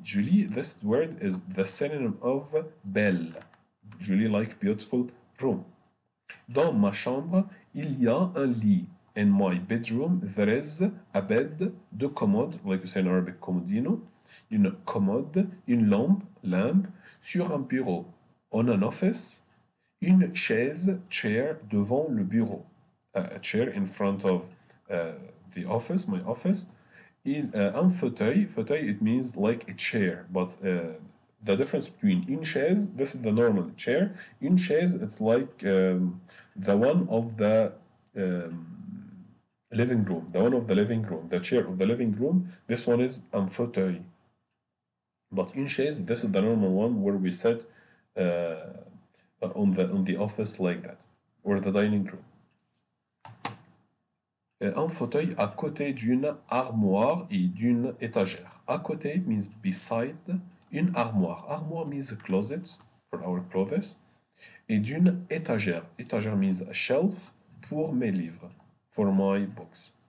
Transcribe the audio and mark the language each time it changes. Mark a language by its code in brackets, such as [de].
[en] Jolie, this word is the synonym of belle. Jolie, like beautiful room. [fr] Dans ma chambre, il y a un lit. [en] In my bedroom, there is a bed, [fr] deux commodes, [en] like you say in Arabic, comodino, [fr] une commode, une lamp, sur un bureau, [en] on an office, [fr] une chaise, [en] chair, [fr] devant le bureau, [en] a chair in front of the office, my office, [fr] un fauteuil, fauteuil, [en] it means like a chair, but the difference between une chaise, this is the normal chair, une chaise, it's like the one of the living room, the one of the living room, the chair of the living room, this one is [fr] un fauteuil. [en] But [fr] une chaise, [en] this is the normal one where we sit on the office like that, or the dining room. [fr] Un fauteuil à côté d'une armoire et d'une étagère. [en] À côté means beside [fr] une armoire. [en] Armoire means a closet for our clothes. [fr] Et d'une étagère. [en] Étagère means a shelf [fr] pour mes livres, [en] for my books.